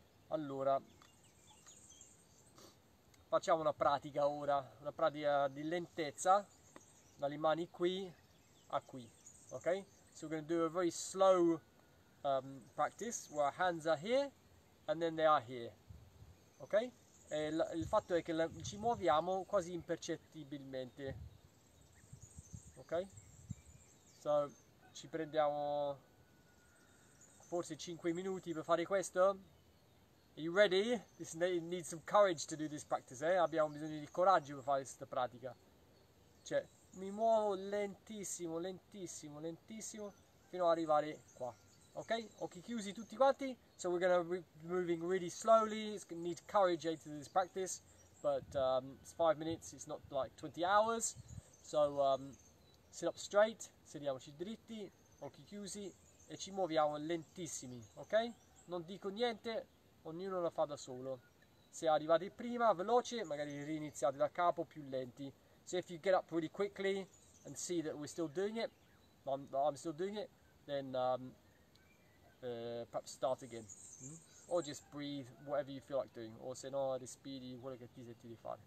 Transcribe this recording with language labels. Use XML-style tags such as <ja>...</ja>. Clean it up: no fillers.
<it>Allora, facciamo una pratica ora, una pratica di lentezza, dalle mani qui a qui, ok?</it> <en>So we're going to do a very slow practice, where our hands are here, and then they are here, ok?</en> <it>Il fatto è che ci muoviamo quasi impercettibilmente, ok? So, ci prendiamo forse 5 minuti per fare questo.</it> <en>Are you ready? This needs some courage to do this practice, eh?</en> <it>Abbiamo bisogno di coraggio per fare questa pratica. Cioè, mi muovo lentissimo, lentissimo, lentissimo fino ad arrivare qua. Ok, occhi chiusi tutti quanti.</it> <en>So we're gonna be moving really slowly. It's gonna need courage to do this practice, but it's 5 minutes. It's not like 20 hours. So sit up straight.</en> <it>Sediamoci dritti, occhi chiusi e ci muoviamo lentissimi. Ok? Non dico niente. Ognuno lo fa da solo. Se arrivate prima, veloce, magari riiniziate da capo più lenti.</it> <en>So if you get up really quickly and see that we're still doing it, I'm still doing it, then perhaps start again, or just breathe whatever you feel like doing,</en> <it>o se no respiri quello che ti senti di fare.</it>